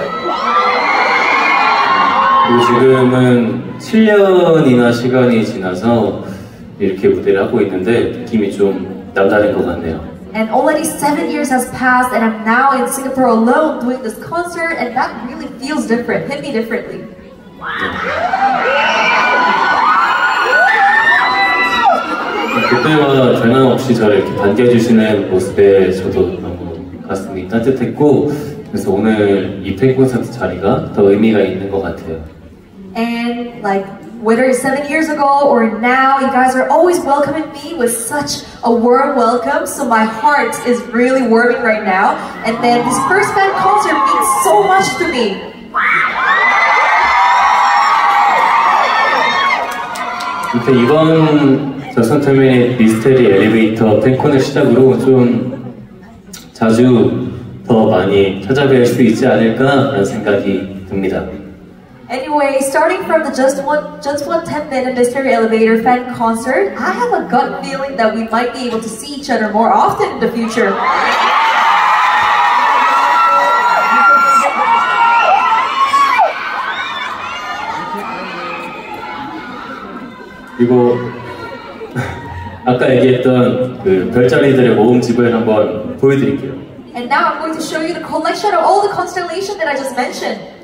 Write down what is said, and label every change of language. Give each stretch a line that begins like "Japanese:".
Korean: 그리고 지금은 7년이나 시간이 지나서 이렇게 무대를 하고 있는데 느낌이 좀 남다른 것 같네요.
English: And already 7 years has passed, and I'm now in Singapore alone doing this concert, and that really feels different. Hit me differently. Wow.
Korean: 그때마다 장난 없이 저를 이렇게 반겨주시는 모습에 저도 너무 가슴이 따뜻했고. 그래서 오늘 이 팬 콘서트 자리가 더 의미가 있는 것 같아요.
English: And like whether it's 7 years ago or now, you guys are always welcoming me with such a warm welcome. So my heart is really warming right now. And then this first fan concert means so much to me.
Korean: 이렇게 이번 저 선터맨의 미스테리 엘리베이터 팬콘을 시작으로 좀 자주 더 많이 찾아뵐 수 있지 않을까라는 생각이 듭니다.
English: Anyway, starting from the just one 10-minute Mystery Elevator fan concert, I have a gut feeling that we might be able to see each other more often in the future.
Korean: 그리고 아까 얘기했던 그 별자리들의 모음집을 한번 보여드릴게요.
English: And now I'm going to show you the collection of all the constellations that I just mentioned.